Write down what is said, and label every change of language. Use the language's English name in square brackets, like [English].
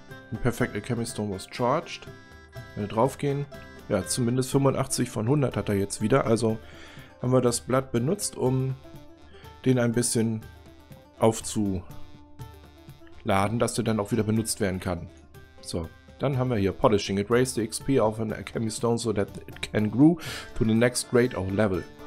[English] Ein Perfect Alchemy Stone was charged. [German] Wenn wir drauf gehen. Ja, zumindest 85 von 100 hat er jetzt wieder. Also haben wir das Blatt benutzt, um den ein bisschen aufzuladen, dass der dann auch wieder benutzt werden kann. So. Dann haben wir hier Polishing. [English] It raised the XP of an Alchemy Stone so that it can grow to the next grade or level.